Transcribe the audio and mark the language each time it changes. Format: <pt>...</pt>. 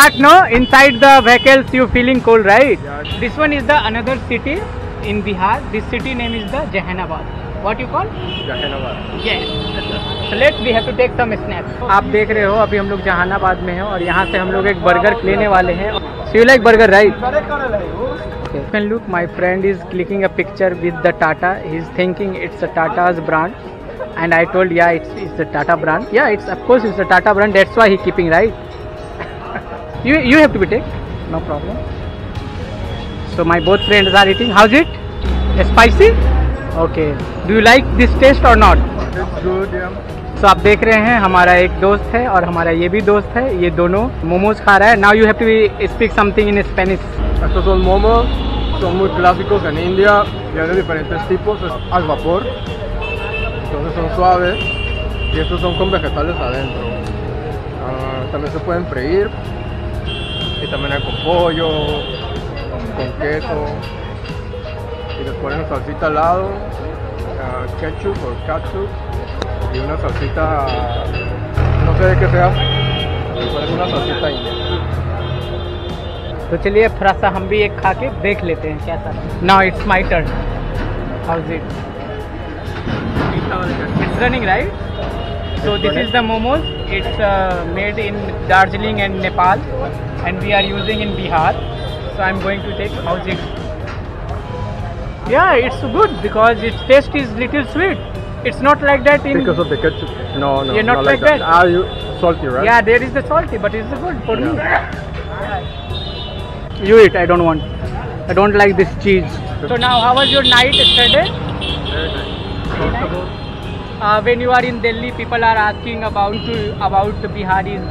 <en>Hot no inside the vehicles you feeling cold right? This one is the another city in Bihar. This city name is the Jahanabad. What you call? Jahanabad. Yes let we have to take some snaps.</en> <hi>आप देख रहे हो अभी हम लोग जहानाबाद में हैं और यहाँ से हम लोग एक बर्गर लेने वाले हैं।</hi> <en>So you like burger, right? Okay. You can look, my friend is clicking a picture with the Tata. He is thinking it's a Tata's brand. And I told, yeah, it's a Tata brand. Yeah, it's of course it's a Tata brand. That's why he keeping, right? You have to be take. No problem. So my both friends are eating. How's it? It's spicy? Okay. Do you like this taste or not? It's good, yeah.</en> <hi>तो आप देख रहे हैं हमारा एक दोस्त है और हमारा ये भी दोस्त है। ये दोनों मोमोज खा रहा है।</hi> <en>Now you have to speak something in Spanish.</en> <es>Estos son momos, son muy clásicos en India, tienen diferentes tipos, al vapor. Entonces son suaves y estos son con vegetales adentro. También se pueden freír y también hay con pollo, con queso y les ponen salsita al lado, ketchup o catsup. Y una salsita, no sé de qué sea, pero es una salsita india.</es> <hi>तो चलिए थोड़ा सा हम भी एक खा के देख लेते हैं क्या sir.</hi> <en>Now it's my turn. How is it? It's running right. So this is the momos. It's made in Darjeeling and Nepal and we are using in Bihar. So I am going to take. How is it? Yeah it's good because it's taste is little sweet. It's not like that in because of the ketchup. No. You're not like that. Are you salty, right? Yeah, there is the salty, but it's good for me. You eat. I don't want. I don't like this cheese. So now, how was your night yesterday? When you are in Delhi, people are asking about the Biharis.</en>